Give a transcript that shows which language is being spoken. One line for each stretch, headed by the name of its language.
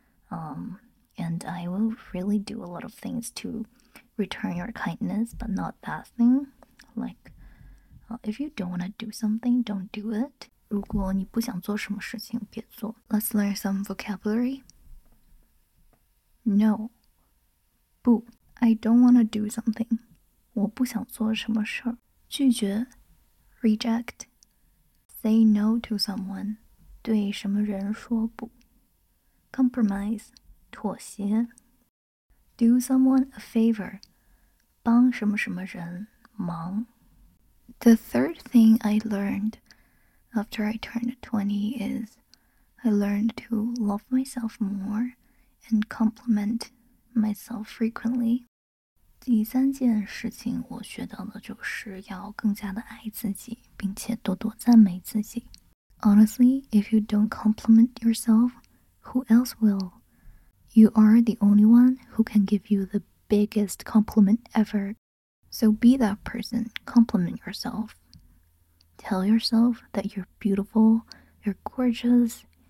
English: And I will really do a lot of things to return your kindness, but not that thing. Like, if you don't want to do something, don't do it.
Chinese: 如果你不想做什么事情，别做.
English: Let's learn some vocabulary. No. 不. I don't want to do something.
Chinese: 我不想做什么事儿.拒绝.
English: Reject. Say no to someone.
Chinese: 对什么人说不.
English: Compromise.
Chinese: 妥协.
English: Do someone a favor.
Chinese: 帮什么什么人忙.
English: The third thing I learned after I turned 20 is I learned to love myself more and compliment myself frequently.
Chinese: 第三件事情我学到的就是要更加的爱自己，并且多多赞美自己.
English: Honestly, if you don't compliment yourself, who else will? You are the only one who can give you the biggest compliment ever. So be that person, compliment yourself. Tell yourself that you're beautiful, you're gorgeous.